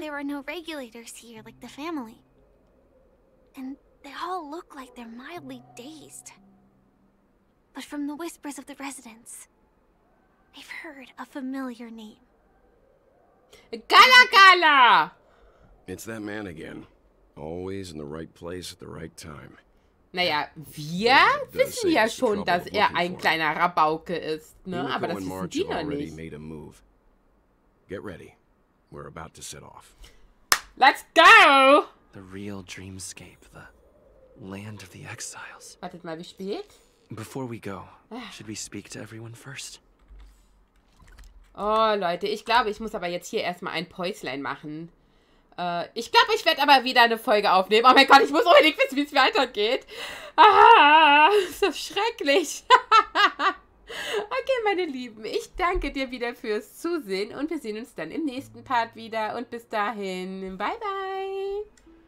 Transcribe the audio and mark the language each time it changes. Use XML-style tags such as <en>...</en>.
<en>There are no regulators here like the family. And they all look like they're mildly dazed. But from the whispers of the residents, I've heard a familiar name. Gala Gala! It's that man again. Always in the right place at the right time.</en> <de>Naja, wir wissen ja schon, dass er ein kleiner Rabauke ist, ne? Aber das wissen die noch nicht.</de> <en>Made a move. Get ready. We're about to set off. Let's go! The real dreamscape, the land of the exiles.</en> <de>Wartet mal, wie spät?</de> <en>Before we go, should we speak to everyone first?</en> <de>Oh, Leute, ich glaube, ich muss aber jetzt hier erstmal ein Päuslein machen. Ich glaube, ich werde aber wieder eine Folge aufnehmen. Oh mein Gott, ich muss unbedingt wissen, wie es weitergeht. Ah, ist das schrecklich. Okay, meine Lieben, ich danke dir wieder fürs Zusehen und wir sehen uns dann im nächsten Part wieder. Und bis dahin, bye bye.</de>